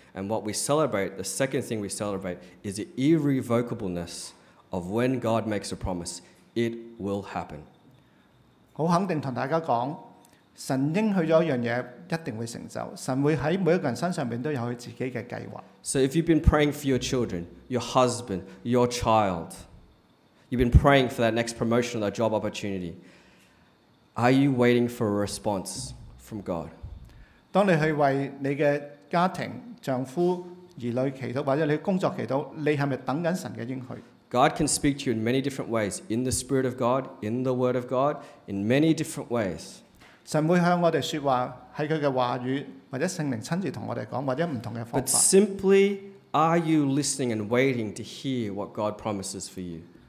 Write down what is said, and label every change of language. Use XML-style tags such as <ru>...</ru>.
<en>And what we celebrate, the second thing we celebrate, is the irrevocableness of when God makes a promise. It will happen.</en> <zh>很肯定跟大家說, 神應許了一件事一定會成就,</zh> <en>so if you've been praying for your children, your husband, your child, you've been praying for that next promotion or that job opportunity, are you waiting for a response from God?</en> <zh>當你去為你的家庭、丈夫、兒女祈禱,或者你的工作祈禱,你是不是等著神的應許?</zh> <en>God can speak to you in many different ways, in the Spirit of God, in the Word of God, in many different ways.</en> <zh>神會向我們說話,在祂的話語,或者聖靈親自跟我們說,或者不同的方法。</zh> <en>But simply, are you listening and waiting to hear what God promises for you?</en>